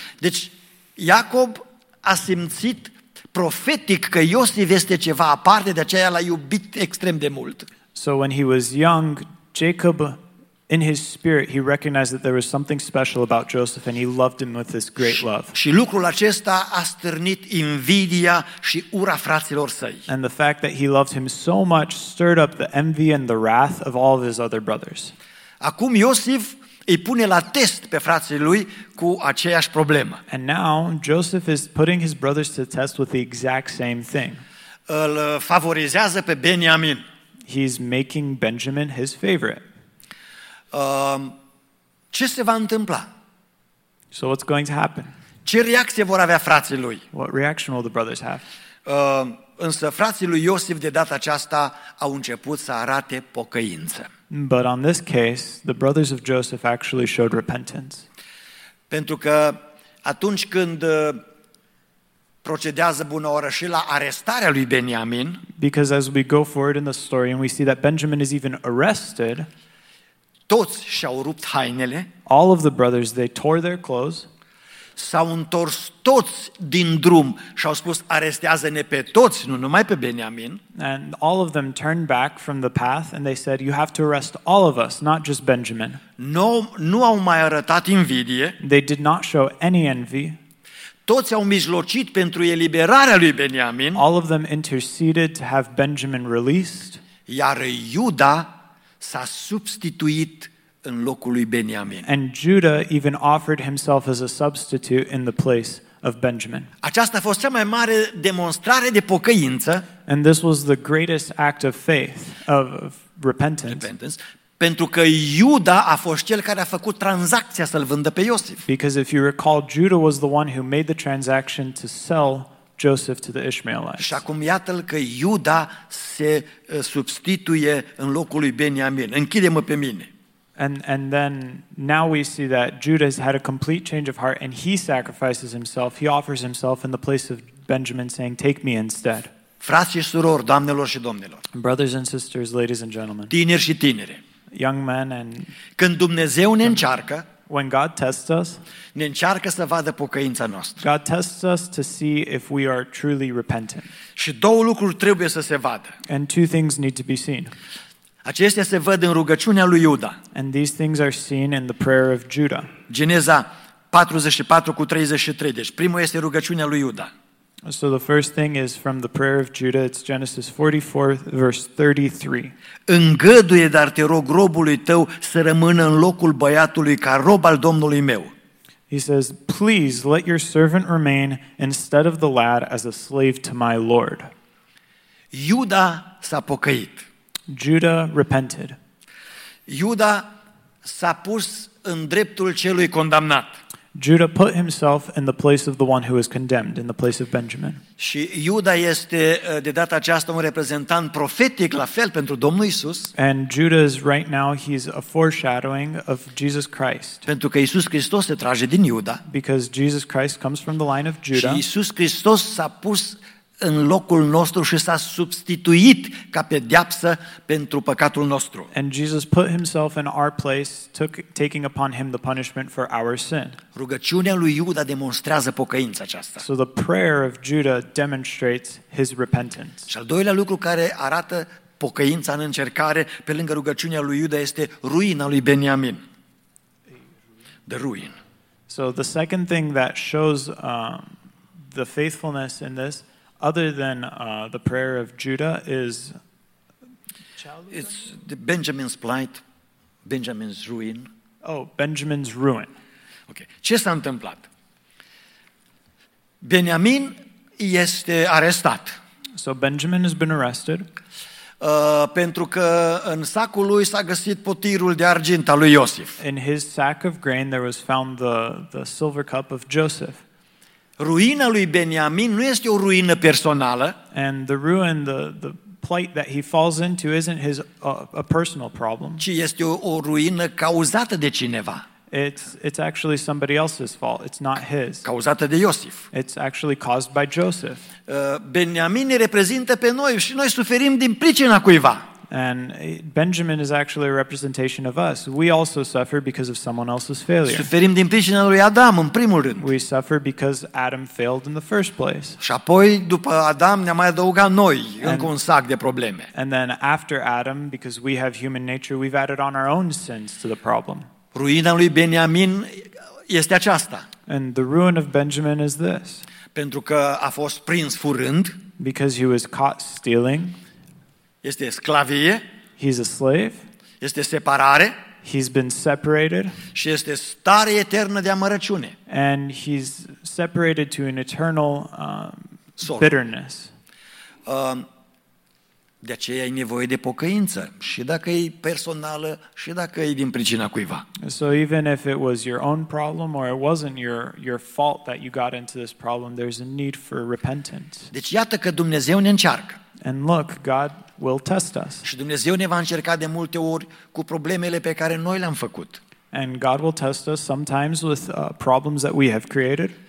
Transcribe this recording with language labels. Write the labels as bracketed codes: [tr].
[ro] Deci Iacob a simțit profetic că Iosif este ceva aparte, de aceea l-a iubit extrem de mult. [en] So when he was young, Jacob in his spirit he recognized that there was something special about Joseph and he loved him with this great love. [ro] Și lucrul acesta a stârnit invidia și ura fraților săi. [en] And the fact that he loved him so much stirred up the envy and the wrath of all of his other brothers. [ro] Acum Iosif îi pune la test pe frații lui cu aceeași problemă. [en] And now Joseph is putting his brothers to test with the exact same thing. [ro] Îl favorizează pe Benjamin. [en] He's making Benjamin his favorite. [ro] Ce se va întâmpla? [en] So what's going to happen? [ro] Ce reacție vor avea frații lui? [en] What reaction will the brothers have? [ro] Însă frații lui Iosif de data aceasta au început să arate pocăință. [en] But on this case, the brothers of Joseph actually showed repentance. [ro] Pentru că atunci când procedează bunăoară și la arestarea lui Benjamin, [en] because as we go forward in the story and we see that Benjamin is even arrested, [ro] toți și-au rupt hainele, [en] all of the brothers, they tore their clothes, [ro] s-au întors toți din drum și au spus: arestează-ne pe toți, nu numai pe Beniamin. [en] And all of them turned back from the path and they said, you have to arrest all of us, not just Benjamin. [ro] Nu au mai arătat invidie. [en] They did not show any envy. [ro] Toți au mijlocit pentru eliberarea lui Beniamin. [en] All of them interceded to have Benjamin released. [ro] Iar Iuda s-a substituit în locul lui Beniamin. [en] And Judah even offered himself as a substitute in the place of Benjamin. [ro] Aceasta a fost cea mai mare demonstrare de pocăință. [en] And this was the greatest act of faith, of repentance. [ro] Pentru că Iuda a fost cel care a făcut tranzacția să-l vândă pe Iosif. [en] Because if you recall, Judah was the one who made the transaction to sell Joseph to the Ishmaelites. [ro] Și acum iată-l că Iuda se substituie în locul lui Beniamin. Închide-mă pe mine. [en] And then now we see that Judah has had a complete change of heart and he sacrifices himself. He offers himself in the place of Benjamin saying, take me instead. [ro] Frați și surori, doamnelor și domnilor. [en] Brothers and sisters, ladies and gentlemen. [ro] Tineri și tinere. [en] Young men and [ro] când Dumnezeu ne încearcă, [en] when God tests us, [ro] ne încearcă să vadă pocăința noastră. [en] God tests us to see if we are truly repentant. [ro] Și două lucruri trebuie să se vadă. [en] And two things need to be seen. [ro] Acestea se văd în rugăciunea lui Iuda. [en] And these things are seen in the prayer of Judah. [ro] Geneza 44:33. Deci primul este rugăciunea lui Iuda. [en] So the first thing is from the prayer of Judah. It's Genesis 44:33. [ro] Îngăduie, dar te rog, robului tău să rămână în locul băiatului ca rob al domnului meu. [en] He says, please let your servant remain instead of the lad as a slave to my lord. [ro] Iuda s-a pocăit. [en] Judah repented. [ro] Iuda s-a pus în dreptul celui condamnat. [en] Judah put himself in the place of the one who was condemned, in the place of Benjamin. [ro] Și Iuda este de data aceasta un reprezentant profetic la fel pentru Domnul Isus. [en] And Judah is right now he's a foreshadowing of Jesus Christ. [ro] Pentru că Isus Hristos se trage din Iuda. [en] Because Jesus Christ comes from the line of Judah. [ro] Și Isus Hristos s-a pus în locul nostru și s-a substituit ca pedeapsă pentru păcatul nostru. [en] And Jesus put himself in our place, taking upon him the punishment for our sin. [ro] Rugăciunea lui Iuda demonstrează pocăința aceasta. [en] So the prayer of Judah demonstrates his repentance. [ro] Și al doilea lucru care arată pocăința în încercare, pe lângă rugăciunea lui Iuda, este ruina lui Beniamin. [en] The ruin. So the second thing that shows the faithfulness in this, other than the prayer of Judah, is it's the Benjamin's plight, Benjamin's ruin. Oh, Benjamin's ruin. [ro] Okay. Ce s-a întâmplat? Beniamin este arestat. [en] So Benjamin has been arrested. [ro] Pentru că în sacul lui s-a găsit potirul de argint al lui Iosif. [en] In his sack of grain there was found the silver cup of Joseph. [ro] Ruina lui Beniamin nu este o ruină personală. [en] And the ruin, the plight that he falls into isn't his a personal problem. [ro] Ci este o ruină cauzată de cineva. [en] It's actually somebody else's fault. It's not his. [ro] Cauzată de Iosif. [en] It's actually caused by Joseph. [ro] Beniamin ne reprezintă pe noi și noi suferim din pricina cuiva. [en] And Benjamin is actually a representation of us. We also suffer because of someone else's failure. [ro] Suferim din pricina lui Adam, în primul rând. [en] We suffer because Adam failed in the first place. [ro] Și apoi, după Adam, ne-a mai adăugat noi încă un sac de probleme. [en] And then after Adam, because we have human nature, we've added on our own sins to the problem. [ro] Ruina lui Beniamin este aceasta. [en] And the ruin of Benjamin is this. [ro] Pentru că a fost prins furând. [en] Because he was caught stealing. [ro] Este sclavie. [en] He's a slave. [ro] Este separare. [en] He's been separated. [ro] Și este stare eternă de amărăciune. [en] And he's separated to an eternal bitterness. [ro] De aceea e nevoie de pocăință, și dacă e personală, și dacă e din pricina cuiva. [en] So even if it was your own problem or it wasn't your fault that you got into this problem, there's a need for repentance. [ro] Deci iată că Dumnezeu ne încearcă. [en] And look, God will test us. [ro] Și Dumnezeu ne va încerca de multe ori cu problemele pe care noi le-am făcut. [en] And God will test us sometimes with problems that we have created.